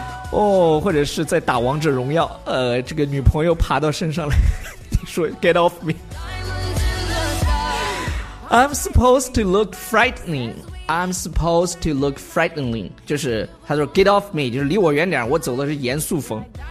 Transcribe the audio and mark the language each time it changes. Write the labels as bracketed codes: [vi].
[zh] 哦，或者是在打王者荣耀，这个女朋友爬到身上来，你说 [en] get off me。 I'm supposed to look frightening. I'm supposed to look frightening. [zh] 就是他说 [en] get off me， [zh] 就是离我远点，我走的是严肃风。